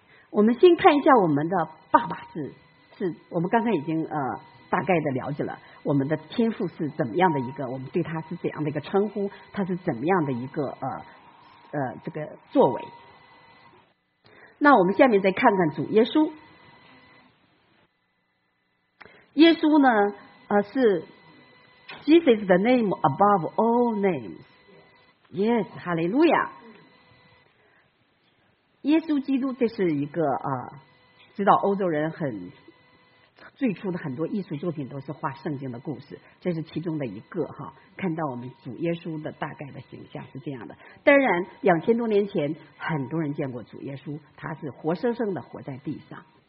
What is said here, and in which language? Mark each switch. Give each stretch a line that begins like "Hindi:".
Chinese: 我们先看一下我们的爸爸是我们刚才已经大概的了解了我们的天父是怎么样的一个，我们对他是怎样的一个称呼，他是怎么样的一个这个作为。那我们下面再看看主耶稣。耶稣呢是
English: Jesus the name above all names。
Chinese: Yes， 哈利路亚。耶稣基督，这是一个知道欧洲人很最初的很多艺术作品都是画圣经的故事，这是其中的一个哈。看到我们主耶稣的大概的形象是这样的。当然2000多年前很多人见过主耶稣，他是活生生的活在地上。